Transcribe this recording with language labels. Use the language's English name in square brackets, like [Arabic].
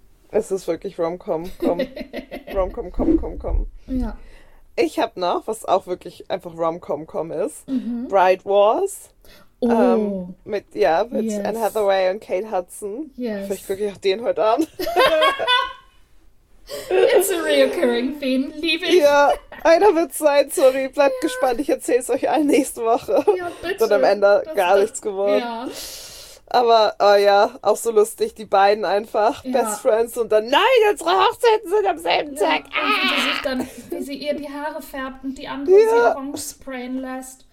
[German] Es ist wirklich Rom-Com. Rom-Com. Ja. Ich habe noch, was auch wirklich einfach Rom-Com ist, mhm. Bright Wars. Oh. Mit yes. Anne Hathaway und Kate Hudson. [English] Yes. [German] Vielleicht gucke ich auch den heute an. [English] It's a reoccurring theme, [German] liebe ich. Ja, einer wird sein, sorry. Bleibt gespannt, ich erzähle es euch allen nächste Woche. Ja, bitte. Und am Ende das gar nichts geworden. Ja. Aber, ja, auch so lustig, die beiden einfach, ja. Best Friends und dann, nein, unsere Hochzeiten sind am selben Tag. Ja. Und sie sich dann, wie sie ihr die Haare färbt und die andere sie rumsprayen lässt.